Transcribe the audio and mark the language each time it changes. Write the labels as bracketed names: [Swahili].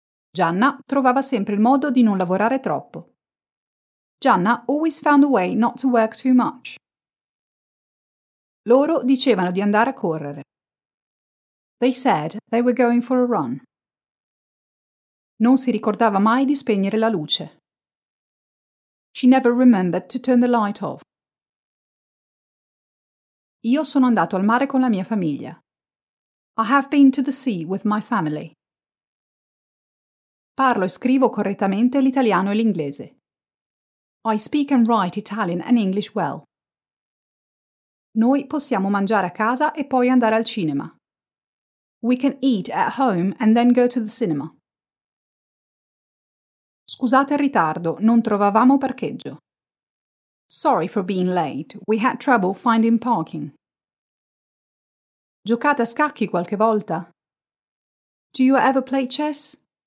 [Italian] Gianna trovava sempre il modo di non lavorare troppo. [English] Gianna always found a way not to work too much. [Italian] Loro dicevano di andare a correre. [English] They said they were going for a run. [Italian] Non si ricordava mai di spegnere la luce. [English] She never remembered to turn the light off. [Italian] Io sono andato al mare con la mia famiglia. [English] I have been to the sea with my family. [Italian] Parlo e scrivo correttamente l'italiano e l'inglese. [English] I speak and write Italian and English well. [Italian] Noi possiamo mangiare a casa e poi andare al cinema. [English] We can eat at home and then go to the cinema. [Italian] Scusate il ritardo, non trovavamo parcheggio. [English] Sorry for being late, we had trouble finding parking. [Italian] Giocate a scacchi qualche volta? [English] Do you ever play chess?